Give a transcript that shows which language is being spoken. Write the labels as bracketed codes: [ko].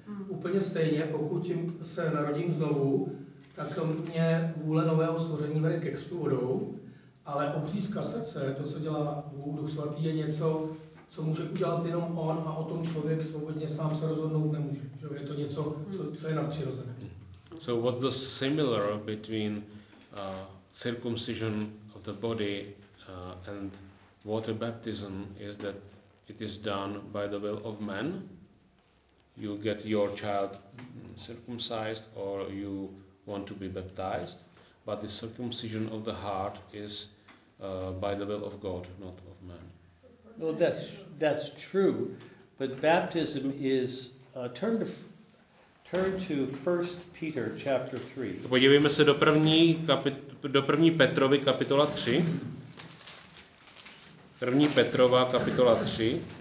[cs] Úplně stejně, pokud se narodím znovu, tak mě vůle nového stvoření vede ke křtu vodou, ale obřízka srdce, to, co dělá Bůh, Duch Svatý, je něco, co může udělat jenom on a o tom člověk svobodně sám se rozhodnout nemůže. Že je to něco, co je nadpřirozené. [en] So what's the similar between circumcision of the body and water baptism is that it is done by the will of man. You get your child circumcised or you want to be baptized. But the circumcision of the heart is by the will of God, not of man. Well, that's true, but baptism is turn to 1 Peter chapter 3. [cs] Podívejme se do první Petrovy kapitola 3. První Petrova kapitola 3.